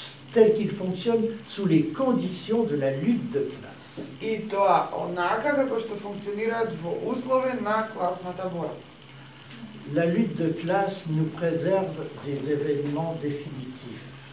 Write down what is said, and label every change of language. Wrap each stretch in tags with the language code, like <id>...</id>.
<fr>Tel qu'il fonctionne sous les conditions de la lutte de classe.</fr> <mk>И тоа онака како што функционираат во услови на класната борба.</mk> <fr>La lutte de classe nous préserve des événements définitifs.</fr>